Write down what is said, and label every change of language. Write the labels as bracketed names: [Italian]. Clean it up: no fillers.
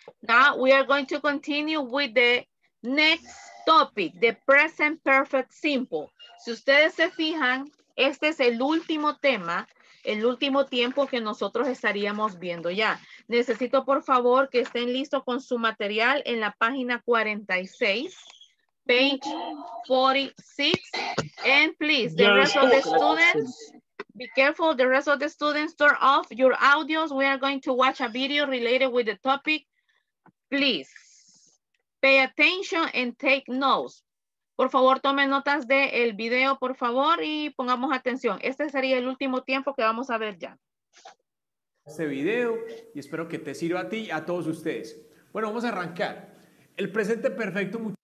[English] Now, we are going to continue with the next topic, the present perfect simple. [Spanish] Si ustedes se fijan, este es el último tema, el último tiempo que nosotros estaríamos viendo ya. Necesito, por favor, que estén listos con su material en la página 46, [English] page 46. And please, the rest of the students, be careful, the rest of the students, turn off your audios. We are going to watch a video related with the topic. Please, pay attention and take notes. [Spanish] Por favor, tomen notas del video, por favor, y pongamos atención. Este sería el último tiempo que vamos a ver ya. Este video, y espero que te sirva a ti y a todos ustedes. Bueno, vamos a arrancar. El presente perfecto.